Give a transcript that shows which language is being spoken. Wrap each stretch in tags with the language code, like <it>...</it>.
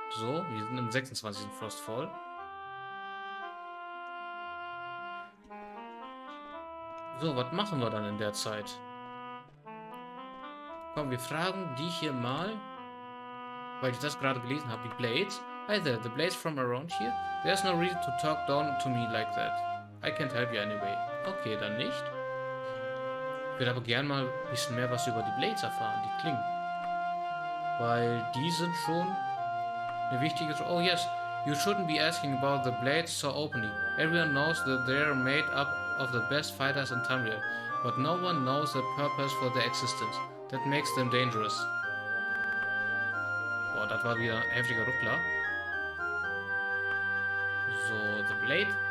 <de>So, wir sind im 26. Frostfall. So, was machen wir dann in der Zeit? Komm, wir fragen die hier mal, weil ich das gerade gelesen habe, die Blades.</de> <en>Hi there, the Blades from around here? There's no reason to talk down to me like that. I can't help you anyway.</en> <de>Okay, dann nicht. Ich würde aber gern mal ein bisschen mehr was über die Blades erfahren, die Klingen. Weil die sind schon eine wichtige...</de> <en>Oh yes, you shouldn't be asking about the Blades so openly. Everyone knows that they're made up of the best fighters in Tamriel. But no one knows the purpose for their existence. That makes them dangerous.</en> <de>Boah, das war wieder ein heftiger Ruckler.</de> <en>So, the Blade...</en>